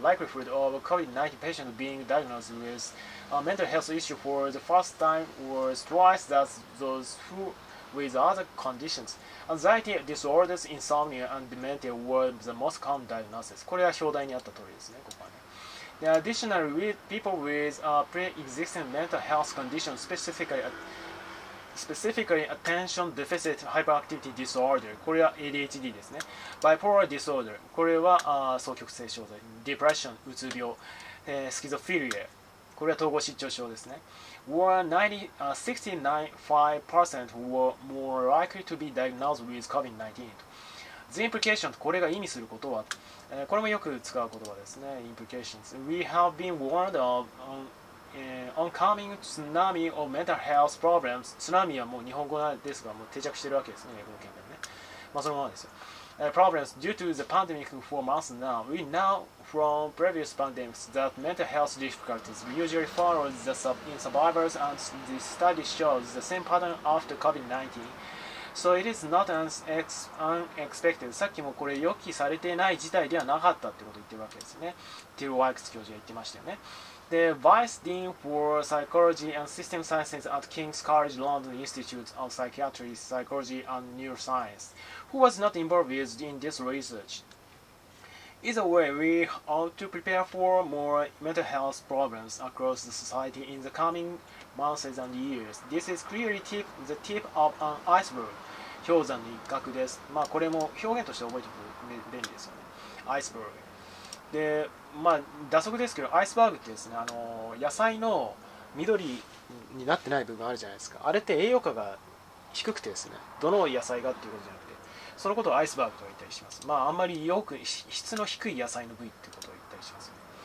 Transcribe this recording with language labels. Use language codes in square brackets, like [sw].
[en] Likelihood of COVID-19 patient being diagnosed withA mental health issue for the first time was twice that those who with other conditions. Anxiety disorders, insomnia, and dementia were the most common diagnosis. [ja] これは表題にあった通りですね、ここはね。 [en] The additional people with pre-existing mental health conditions, specifically attention deficit hyperactivity disorder. [ja] これは ADHD ですね。 [en] Bipolar disorder. [ja] これは双極性障害。 [en] Depression, [ja] うつ病。 [en] Schizophrenia. [ja] これは統合失調症ですね。 [en] 65% were more likely to be diagnosed with COVID-19. The implications, [ja] これが意味することは、これもよく使う言葉ですね。Implications. [en] We have been warned of oncoming tsunami of mental health problems. [ja] 津波はもう日本語ですが、もう定着してるわけですね。英語圏でね。まあ、そのままですよ。 [en] Problems due to the pandemic for months now. We know from previous pandemics that mental health difficulties usually follow the in survivors, and the study shows the same pattern after COVID-19. So it is not unexpected. [ja] さっきもこれ予期されていない事態ではなかったってことを言ってるわけですね。ティル・ワイクス教授が言ってましたよね。 [en] The Vice Dean for Psychology and System Sciences at King's College London Institute of Psychiatry, Psychology and Neuroscience, who was not involved in this research. Either way, we ought to prepare for more mental health problems across the society in the coming months and years. This is clearly the tip of an iceberg. [ja] 氷山の一角です。まあ、これも表現として覚えておくと便利ですよね。 [en] Iceberg. [ja] で、まあ、打足ですけど、アイスバーグってですね、野菜の緑になってない部分あるじゃないですか。あれって栄養価が低くてですね、どの野菜がっていうことじゃなくて、そのことをアイスバーグと言ったりします。まあ、あんまりよく質の低い野菜の部位ってことを言ったりします、ね。